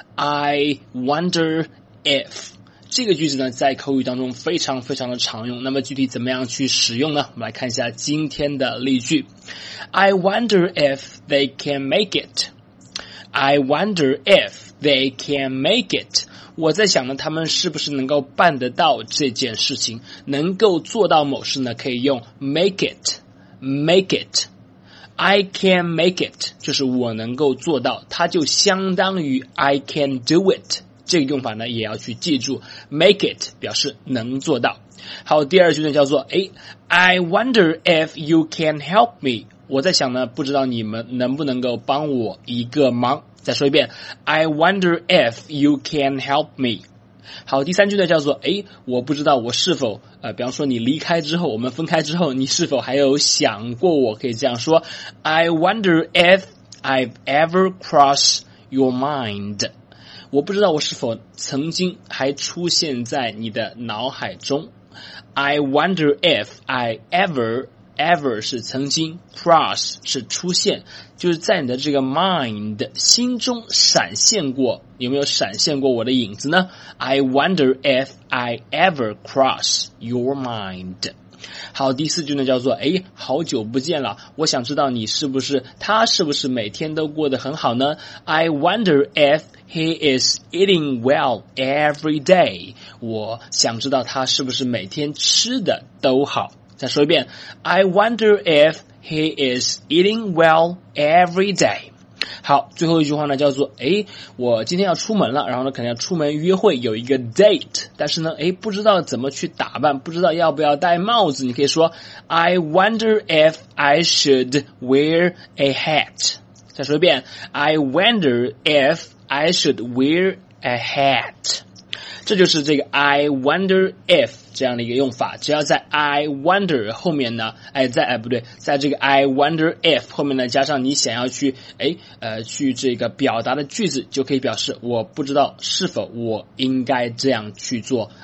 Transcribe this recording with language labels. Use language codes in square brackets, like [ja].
[en] I wonder if [zh] 这个句子呢，在口语当中非常非常的常用。那么具体怎么样去使用呢？我们来看一下今天的例句。 [en] I wonder if they can make itI wonder if they can make it. [zh] 我在想呢，他们是不是能够办得到这件事情，能够做到某事呢，可以用 [en] make it, make it. I can make it, [zh] 就是我能够做到，它就相当于 [en] I can do it. [zh] 这个用法呢，也要去记住， make it 表示能做到。好，第二句呢叫做，诶， [en] I wonder if you can help me. [zh] 我在想呢，不知道你们能不能够帮我一个忙。再说一遍， [en] I wonder if you can help me。 [zh] 好，第三句呢叫做，诶，我不知道我是否比方说你离开之后，我们分开之后，你是否还有想过我，可以这样说， [en] I wonder if I've ever crossed your mind。 [zh] 我不知道我是否曾经还出现在你的脑海中。 [en] I wonder if I ever [zh] 是曾经， cross 是出现，就是在你的这个 mind 心中闪现过，有没有闪现过我的影子呢？ [en] I wonder if I ever cross your mind。 [zh] 好，第四句呢叫做，诶，好久不见了，我想知道你是不是，他是不是每天都过得很好呢？ [en] I wonder if he is eating well every day。 [zh] 我想知道他是不是每天吃的都好。再说一遍， [en] I wonder if he is eating well every day。 [zh] 好，最后一句话呢叫做，诶，我今天要出门了，然后呢可能要出门约会，有一个 date， 但是呢，诶，不知道怎么去打扮，不知道要不要戴帽子。你可以说， [en] I wonder if I should wear a hat。 [zh] 再说一遍， [en] I wonder if I should wear a hat。 [zh] 这就是这个 [en] I wonder if [zh] 这样的一个用法，只要在 I wonder 后面呢，哎，在，哎，不对，在这个 I wonder if 后面呢加上你想要去，哎，去这个表达的句子，就可以表示我不知道是否我应该这样去做。